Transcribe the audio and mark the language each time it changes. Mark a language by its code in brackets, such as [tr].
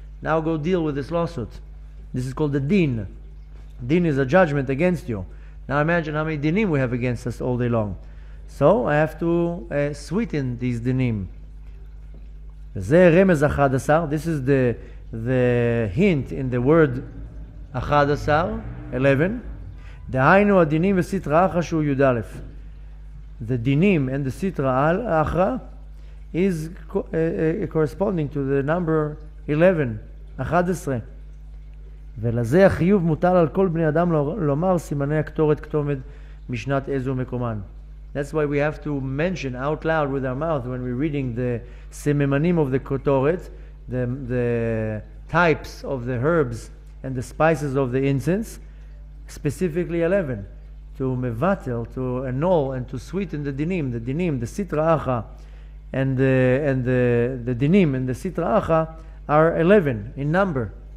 [en] Now go deal with this lawsuit. This is called the din. Din is a judgment against you. Now imagine how many dinim we have against us all day long. So I have to sweeten these dinim. [he] זה רמז 11, [en] this is the hint in the word 11, 11. [he] דהיינו הדינים וסיטרא אחרא שהוא י' א'. [en] The dinim and the sitra al achra is corresponding to the number 11, 11. [he] ולזה החיוב מוטל על כל בני אדם לומר סימני הקטורת כתומת משנת איזו מקומן. [en] That's why we have to mention out loud with our mouth when we're reading the simemanim of the ketoret, the types of the herbs and the spices of the incense, specifically 11. To mevatel, to annul, and to sweeten the dinim, the sitra acha, and the dinim and the sitra acha are 11 in number.